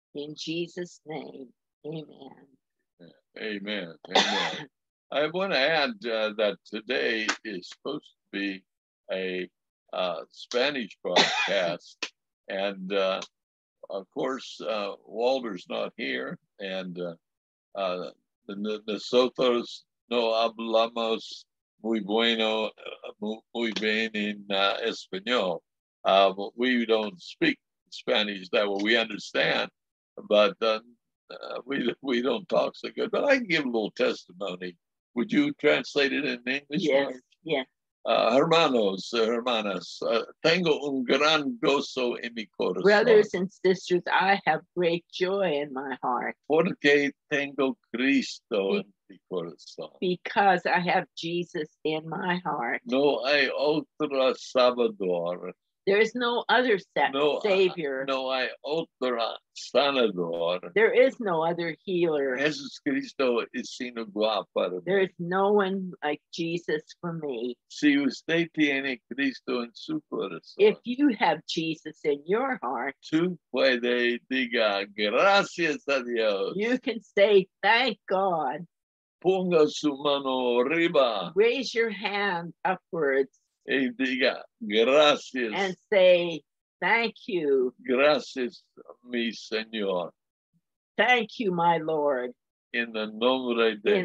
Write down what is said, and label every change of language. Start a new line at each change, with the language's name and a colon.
English: In Jesus' name, amen. Amen. Amen. I want to add that today is supposed to be a Spanish broadcast. And of course, Walter's not here.
Spanish: And nosotros no hablamos muy bueno, muy bien en español.
English: We don't speak Spanish that way. We understand, but we don't talk so good. But I can give a little testimony. Would you translate it in English? Yes, yeah.
Spanish: Hermanos, hermanas, tengo un gran gozo en mi corazón.
English: Brothers and sisters, I have great joy in my heart.
Spanish: Porque tengo Cristo en mi corazón.
English: Because I have Jesus in my heart.
Spanish: No hay otro salvador.
English: There is no other savior.
Spanish: No hay otro sanador.
English: There is no other healer.
Spanish: Jesus Cristo es sin igual para mí.
English: There is no one like Jesus for me.
Spanish: Si usted tiene Cristo en su corazón.
English: If you have Jesus in your heart.
Spanish: Tú puede diga gracias a Dios.
English: You can say thank God.
Spanish: Ponga su mano arriba.
English: Raise your hand upwards.
Spanish: Y diga, gracias.
English: And say, thank you.
Spanish: Gracias, mi Señor.
English: Thank you, my Lord. In the
Spanish: nombre de